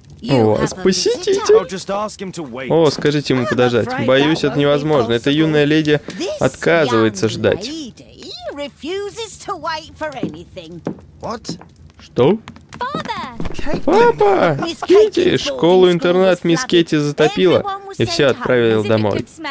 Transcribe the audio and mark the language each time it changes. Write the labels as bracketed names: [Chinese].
[Russian] О, посетите. О, скажите ему подождать. Боюсь, это невозможно. Эта юная леди отказывается ждать. [English] Refuses to wait for anything. What? [Russian] Что? Папа! Кэти! Школу-интернат мисс Кэти затопила. И все отправила домой.